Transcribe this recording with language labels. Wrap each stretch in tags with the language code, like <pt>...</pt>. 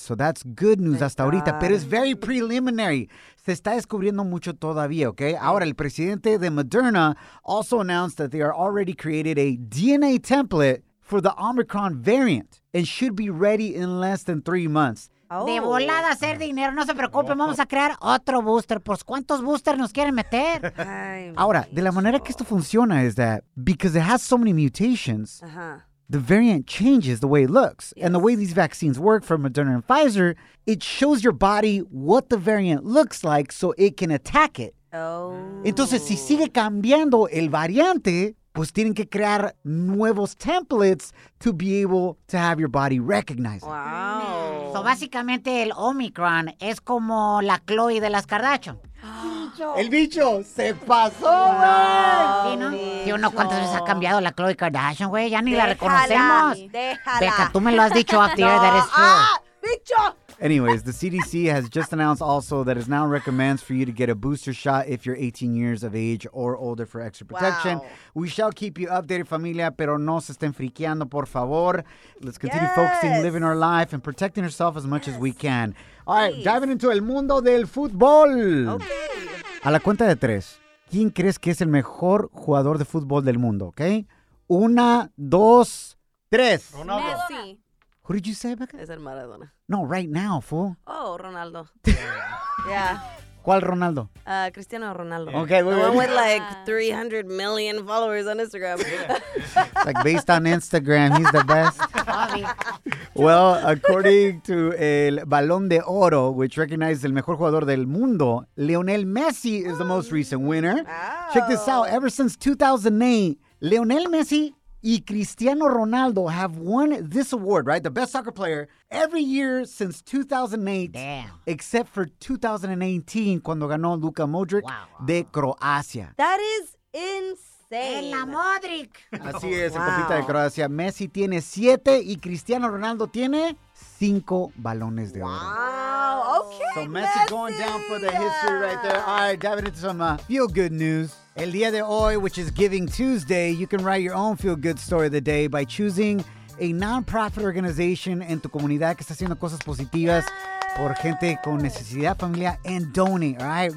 <en>So that's good news</en> <es>hasta ahorita, pero es</es> <en>very preliminary.</en> <es>Se está descubriendo mucho todavía,</es> <en>okay?</en> <es>Ahora, el presidente de Moderna</es> <en>also announced that they are already created a DNA template for the Omicron variant and should be ready in less than 3 months.</en> <es>Oh. De volada a hacer dinero, no se preocupen, vamos a crear otro booster. ¿Pues cuántos boosters nos quieren meter? Ahora, de la manera que esto funciona es</es> <en>that because it has so many mutations, the variant changes the way it looks. Yes. And the way these vaccines work for Moderna and Pfizer, it shows your body what the variant looks like so it can attack it.</en> <es>Entonces, si sigue cambiando el variante, pues tienen que crear nuevos templates</es> <en>to be able to have your body recognize them. Wow.</en> <es>So, básicamente, el Omicron es como la Chloe de las Kardashian. ¡El bicho! ¡Se pasó, güey! Wow, ¿sí, no? ¿Sí, no? ¿Cuántas veces ha cambiado la Chloe Kardashian, güey? Ya ni déjala, la reconocemos. ¡Déjala!</es> <en>Beca,</en> <es>tú me lo has dicho</es> <en>off the air, that is true.</en> <es>¡Ah, bicho!</es> <en>Anyways, the CDC has just announced also that it now recommends for you to get a booster shot if you're 18 years of age or older for extra protection. Wow. We shall keep you updated,</en> <es>familia, pero no se estén friqueando, por favor.</es> <en>Let's continue focusing, living our life, and protecting ourselves as much as we can. All right, diving into</en> <es>el mundo del fútbol.</es> <en>Okay.</en> <es>A la cuenta de tres, ¿quién crees que es el mejor jugador de fútbol del mundo? Okay. Una, dos, tres. Ronaldo. Messi.</es> <en>Who did you say, Becca?</en> <es>Es el Maradona.</es> <en>No, right now, fool. Oh, Ronaldo.</en> <es>¿Cuál Ronaldo? Cristiano Ronaldo.</es> <en>Okay, the one with like 300 million followers on Instagram. It's like based on Instagram, he's the best. Well, according to El Balón de Oro, which recognizes</en> <es>el mejor jugador del mundo,</es> <en>Lionel Messi is the most recent winner. Oh. Check this out. Ever since 2008, Lionel Messi y Cristiano Ronaldo have won this award, right? The best soccer player every year since 2008. Damn. Except for 2018,</en> <es>cuando ganó Luka Modric de Croacia.</es> <en>That is insane.</en> <es>En la Modric. Así es, el papita de Croacia. Messi tiene 7 y Cristiano Ronaldo tiene 5 balones de oro.</es> <en>Wow. Okay, so Messi going down for the history right there. All right, diving into some feel good news.</en> <es>El día de hoy,</es> <en>which is Giving Tuesday, you can write your own feel-good story of the day by choosing a non-profit organization</en> <es>en tu comunidad que está haciendo cosas positivas por gente con necesidad familiar</es> <en>and donate, all right?</en>